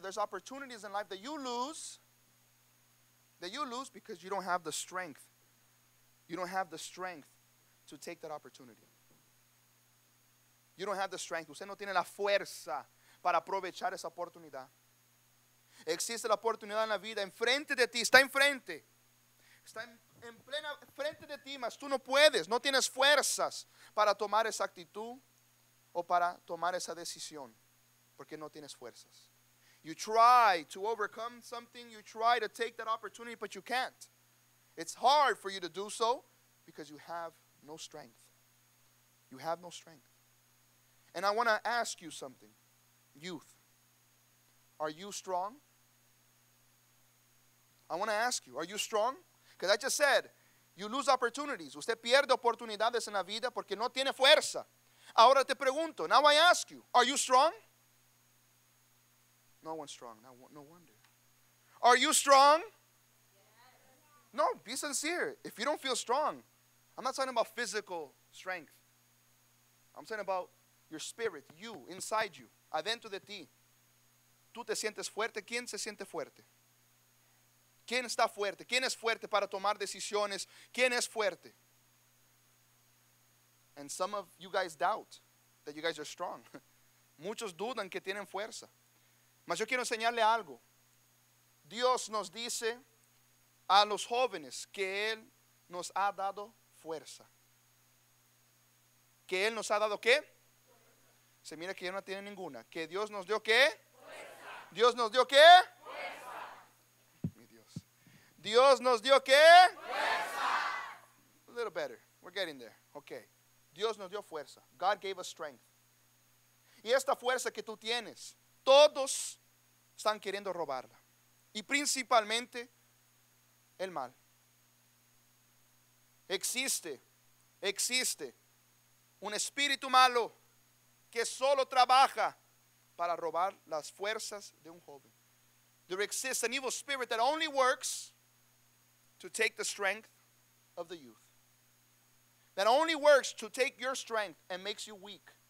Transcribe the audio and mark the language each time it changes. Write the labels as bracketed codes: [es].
[en] There's opportunities in life that you lose because you don't have the strength. You don't have the strength to take that opportunity. You don't have the strength. [es] Usted no tiene la fuerza para aprovechar esa oportunidad. Existe la oportunidad en la vida enfrente de ti. Está enfrente. Está en plena frente de ti, mas tú no puedes. No tienes fuerzas para tomar esa actitud o para tomar esa decisión, porque no tienes fuerzas. [en] You try to overcome something. You try to take that opportunity, but you can't. It's hard for you to do so because you have no strength. You have no strength. And I want to ask you something. Youth, are you strong? I want to ask you, are you strong? Because I just said, you lose opportunities. [es] Usted pierde oportunidades en la vida porque no tiene fuerza. Ahora te pregunto, [en] now I ask you, are you strong? No one's strong, no wonder. Are you strong? No, be sincere. If you don't feel strong, I'm not talking about physical strength. I'm talking about your spirit, you, inside you, [es] adentro de ti. ¿Tú te sientes fuerte? ¿Quién se siente fuerte? ¿Quién está fuerte? ¿Quién es fuerte para tomar decisiones? ¿Quién es fuerte? [en] And some of you guys doubt that you guys are strong. [es] Muchos dudan que tienen fuerza. Mas yo quiero enseñarle algo. Dios nos dice a los jóvenes que Él nos ha dado fuerza. ¿Que Él nos ha dado qué? Se mira que ya no tiene ninguna. ¿Que Dios nos dio qué? Fuerza. ¿Dios nos dio qué? Fuerza. Mi Dios. ¿Dios nos dio qué? Fuerza. [en] A little better. We're getting there. Okay. [es] Dios nos dio fuerza. [en] God gave us strength. [es] Y esta fuerza que tú tienes, todos están queriendo robarla. Y principalmente el mal. Existe un espíritu malo que solo trabaja para robar las fuerzas de un joven. [en] There exists an evil spirit that only works to take the strength of the youth. That only works to take your strength and makes you weak.